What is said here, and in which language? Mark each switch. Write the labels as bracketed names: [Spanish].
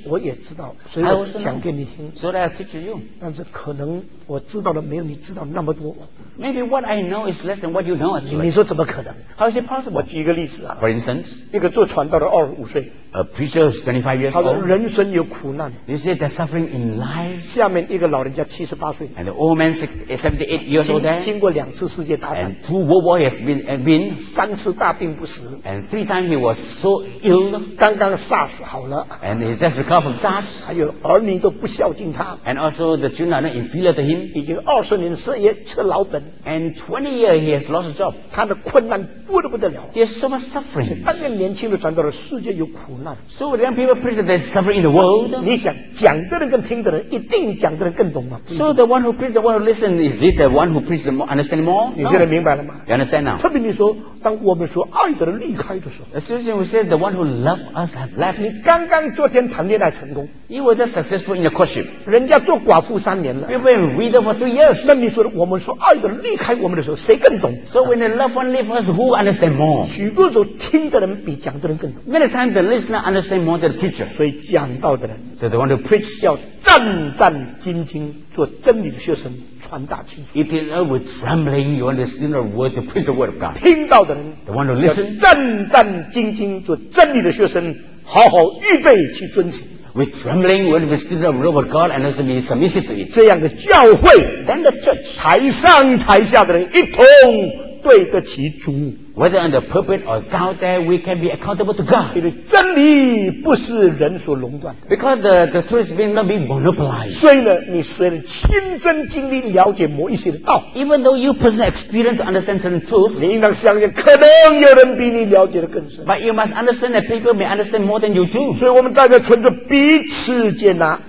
[Chinese] 我也知道，所以我讲给你听。 [English] So that I teach you. [Chinese] 但是可能我知道的没有你知道那么多。 [English] Maybe what I know is less than what you know. [Chinese] 你说怎么可能 [English] ？How is it possible? [Chinese] 我举一个例子啊。 [English] For instance, [Chinese] 一个做传道的二十五岁。 [English] A preacher is 25 years old. [Chinese] 他说人生有苦难。 [English] He said they're suffering in life. [Chinese] 下面一个老人家78岁。 [English] And the old man 78 years old. [Chinese] 经过两次世界大战。 [English] And two world wars has been [Chinese] 三次大病不死。 [English] And three times he was so ill. [Chinese] 刚刚 SARS 好了。 [English] And he just recovered from SARS. [Chinese] 还有儿女都不孝敬他。 [English] And also the children are inferior to him. [Chinese] 已经二十年失业吃老本。 [English] And 20 years he has lost his job. [Chinese] 他的困难多得不得了。 [English] He has so much suffering. [Chinese] 当年年轻的传道人世界有苦难。 [English] So young people preach that they're suffering in the world. [Chinese] 你想讲的人跟听的人一定讲的人更懂吗 [English] So the one who preach, the one who listen, is it the one who preach the more, understand more? [Chinese] 你现在明白了吗 [English] You understand now? [Chinese] 特别你说当我们说爱的人离开的时候 [English] Especially when we say the one who loves us have left. [Chinese] 你刚刚刚昨天谈恋爱成功。 [English] He was successful in the courtship. [Chinese] 人家做寡妇三年了。 [English] We've been widow for 2 years. [Chinese] 那你说我们说爱的离开我们的时候，谁更懂 [English] ？So when the loved one leaves us, who understands more? [Chinese] 许多时候听的人比讲的人更懂。 [English] Many times the listener understands more than the teacher. [Chinese] 所以讲道的人 [English] ，So the one who preach [Chinese] 要战战兢兢做真理的学生，传达清楚。 [English] It is with trembling you understand the word to preach the word of God. [Chinese] 听到的人 [English] ，the one who listens, [Chinese] 要战战兢兢做真理的学生。好好预备去遵行。 [English] With trembling, when we speak the word of God, and also be submissive to it. [Chinese] 这样的教会 [English] ，then the church, [Chinese] 台上台下的人一同对得起主。 [English] Whether on the pulpit or down there, we can be accountable to God. [Chinese] 因为真理不是人所垄断。 [English] Because the truth will not be monopolized. [Chinese] 所以呢，你虽然亲身经历了解某一些的道 [English] ，even though you personally experience to understand certain truth, [Chinese] 你应当相信可能有人比你了解的更深。 [English] But you must understand that people may understand more than you do. [Chinese] 所以我们大家存着彼此接纳。